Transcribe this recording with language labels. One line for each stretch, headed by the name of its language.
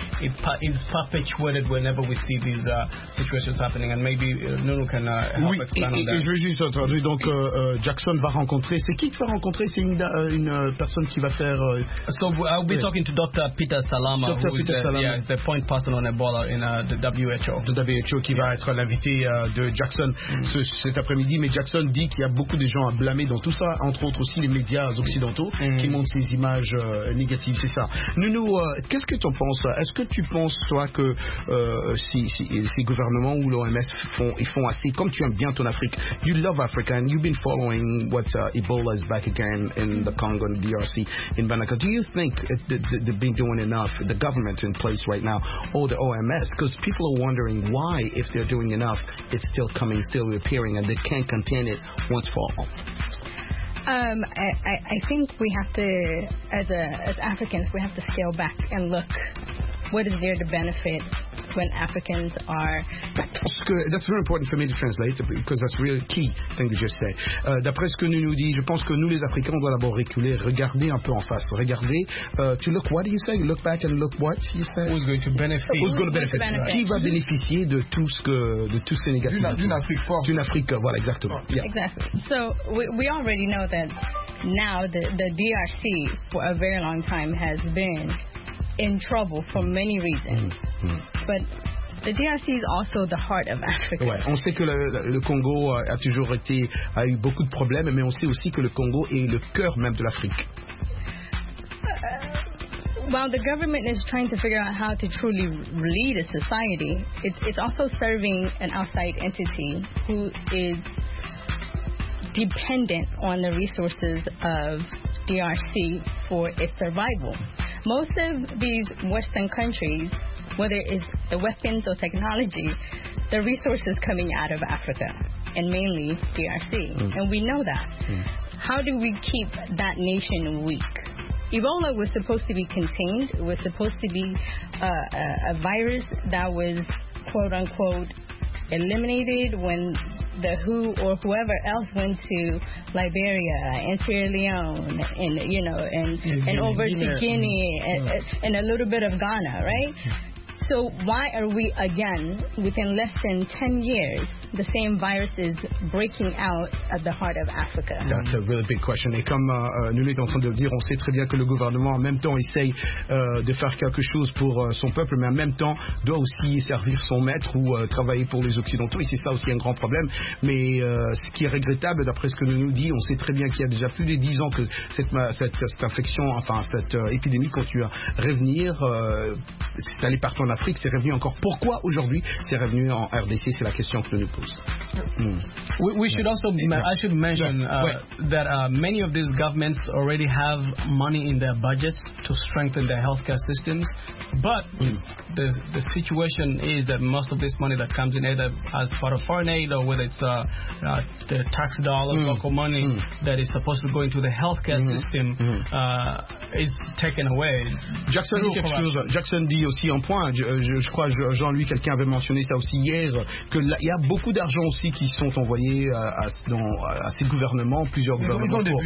English: It's perpetuated whenever we see these situations happening, and maybe Nunu can help expand on that.
French: Oui, et je vais juste traduire. Donc, Jackson va rencontrer. C'est qui tu vas rencontrer? C'est une personne qui va faire.
English: So I'll be talking to Dr. Peter Salama. Dr. Peter Salama. Yeah, the point person on Ebola in the WHO.
French: The WHO qui va être l'invité de Jackson cet après-midi. Mais Jackson dit qu'il y a beaucoup de gens à blâmer dans tout ça, entre autres aussi les médias occidentaux qui montrent ces images négatives. C'est ça. Nunu, qu'est-ce que tu en penses? Est-ce que tu penses, toi, que ces gouvernements ou l'OMS font assez? Comme tu aimes bien ton Afrique,
English: you love Africa and you've been following what Ebola is back again in the Congo and DRC in Banaka. Do you think they've been doing enough, the government in place right now, or the OMS? Because people are wondering why, if they're doing enough, it's still coming, still reappearing, and they can't contain it once for all. I think we have to, as Africans, we have to scale back and look what is there to benefit when Africans are. That's very important for me to translate, because that's really key thing you just said.
French: D'après ce que nous dit, je pense que nous les Africains, on doit d'abord reculer, regarder un peu en face, regarder.
English: To look, what do you say? Look back and look what you say. Who's going to benefit? Who's going to benefit?
French: Qui va bénéficier de tout ce que, de tous ces négatifs? D'une Afrique forte. D'une Afrique, voilà, exactement.
English: Yeah. Exactly. So we already know that now the DRC for a very long time has been in trouble for many reasons, but the DRC is also the heart of Africa.
French: Ouais, on sait que le Congo a toujours été, a eu beaucoup de problèmes, mais on sait aussi que le Congo est le cœur même de l'Afrique.
English: While the government is trying to figure out how to truly lead a society, it's also serving an outside entity who is dependent on the resources of DRC for its survival. Most of these Western countries, whether it's the weapons or technology, the resources coming out of Africa, and mainly DRC, and we know that. How do we keep that nation weak? Ebola was supposed to be contained. It was supposed to be a virus that was, quote unquote, eliminated when the WHO or whoever else went to Liberia and Sierra Leone and, you know, and over to Guinea and a little bit of Ghana, right? So why are we again, within less than 10 years, the same viruses breaking out at the heart of Africa? That's a really big question.
French: Et comme nous l'étions en train de le dire, on sait très bien que le gouvernement, en même temps, essaye de faire quelque chose pour son peuple, mais en même temps, doit aussi servir son maître ou travailler pour les Occidentaux. Et c'est ça aussi un grand problème. Mais ce qui est regrettable, d'après ce que nous dit, on sait très bien qu'il y a déjà plus de 10 ans que cette infection, enfin, cette épidémie continue à revenir. C'est allé partout en Afrique. Afrique, c'est revenu encore. Pourquoi aujourd'hui c'est revenu en RDC? C'est la question que nous posons.
English: I should mention that many of these governments already have money in their budgets to strengthen their healthcare systems, but the situation is that most of this money that comes in either as part of foreign aid or whether it's the tax dollar, local money that is supposed to go into the healthcare system is taken away.
French: Jackson, Jackson dit aussi un point. Je crois Jean-Louis, quelqu'un avait mentionné ça aussi hier, que il y a beaucoup d'argent aussi qui sont envoyés à ces gouvernements, plusieurs gouvernements,